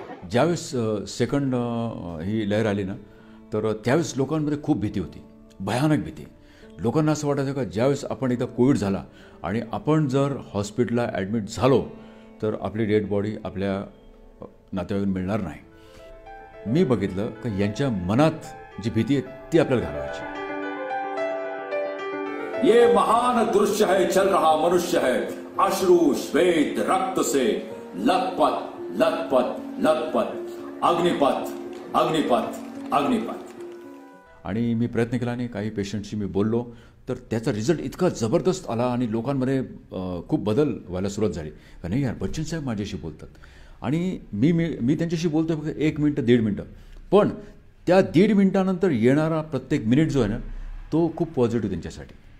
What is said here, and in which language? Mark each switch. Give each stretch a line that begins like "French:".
Marathi: ज्यावेळेस सेकंड ही लहर आली ना, तर त्यावेळेस लोकांमध्ये खूप भीती होती, भयानक भीती। लोकांना असं वाटायचं का ज्यावेळेस आपण एकदा कोविड झाला आणि आपण जर हॉस्पिटलला ॲडमिट झालो तर आपली डेड बॉडी आपल्या नातेवाईक मिळणार नाही। मी बघितलं का यांच्या मनात जी भीती आहे ती आपल्याला घालवायची।
Hindi: ये महान दृश्य है, चल रहा मनुष्य है, अश्रू श्वेत रक्त से लखपत लखपत लखपत अग्निपत अग्निपत अग्निपत।
Marathi: आणि मी प्रयत्न केला आणि काही पेशंटशी मी बोललो तर त्याचा रिझल्ट इतका जबरदस्त आला आणि लोकांमध्ये खूप बदल व्हायला सुरुवात झाली। नाही यार, बच्चन साहेब माझ्याशी बोलतात आणि मी त्यांच्याशी बोलतो आहे फक्त एक मिनटं दीड मिनटं, पण त्या दीड मिनटानंतर येणारा प्रत्येक मिनिट जो आहे ना तो खूप पॉझिटिव्ह त्यांच्यासाठी।